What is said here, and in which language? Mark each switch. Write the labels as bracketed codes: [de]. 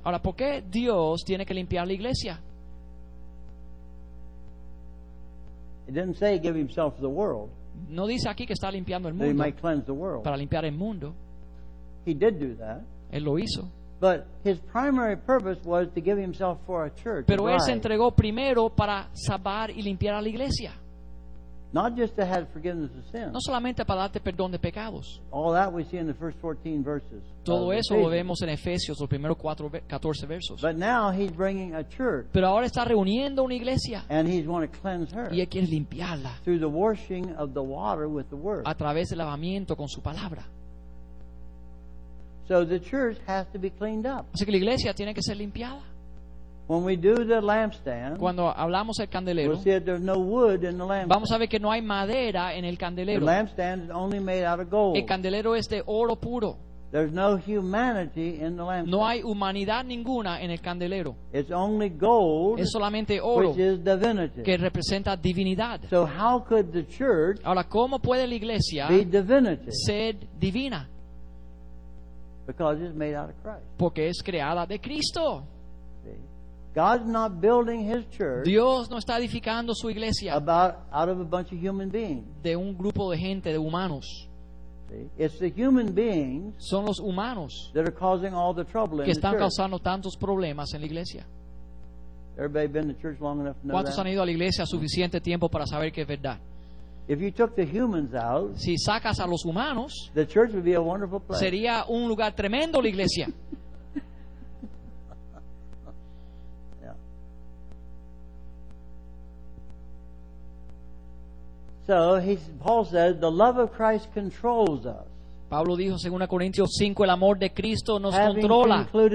[es] Ahora, ¿por qué Dios tiene que limpiar la iglesia? [en] It didn't say give himself to the world. [es] No dice aquí que está limpiando el mundo. [en] He might cleanse the world. [es] Para limpiar el mundo. [en] He did do that. [es] Él lo hizo. [en] But his primary purpose was to give himself for a church. [es] Pero él se entregó primero para salvar y limpiar a la iglesia. [en] Not just to have forgiveness of sins. [es] No solamente para darte perdón de pecados. [en] All that we see in the first 14 verses. [es] Todo eso lo vemos en Efesios, los primeros 14 versos. [en] But now he's bringing a church. [es] Pero ahora está reuniendo una iglesia. [en] And he's going to cleanse her. [es] Y él quiere limpiarla. [en] Through the washing of the water with the word. [es] A través del lavamiento con su palabra. [en] So the church has to be cleaned up. [es] Así que la iglesia tiene que ser limpiada. [en] When we do the lampstand, [es] cuando hablamos el candelero, [en] we'll see that there's no wood in the lampstand. [es] Vamos a ver que no hay madera en el candelero. [en] The lampstand is only made out of gold. [es] El candelero es de oro puro. [en] There's no humanity in the lampstand. [es] No hay humanidad ninguna en el candelero. [en] It's only gold. [es] Es solamente oro, [en] which is divinity. [es] Que representa divinidad. [en] So how could the church, [es] ahora, ¿cómo puede la iglesia [en] be divinity? [es] Ser divina. [en] Because it's made out of Christ. [es] Porque es creada de Cristo. [en] God's not building his church. [es] Dios no está edificando su iglesia. [en] About out of a bunch of human beings. [es] De un grupo de gente de humanos. [en] See? It's the human beings. [es] Son los humanos. [en] That are causing all the trouble in the church. [es] Que están causando tantos problemas en la iglesia. [en] Everybody been to church long enough to know. [es] ¿Cuántos han ido a la iglesia suficiente tiempo para saber que es verdad? [en] If you took the humans out, [es] si sacas a los humanos, [en] the church would be a wonderful place. [es] Sería un lugar tremendo la iglesia. [en] So Paul says the love of Christ controls us. [es] Pablo dijo en 2 Corintios 5, el amor de Cristo nos controla.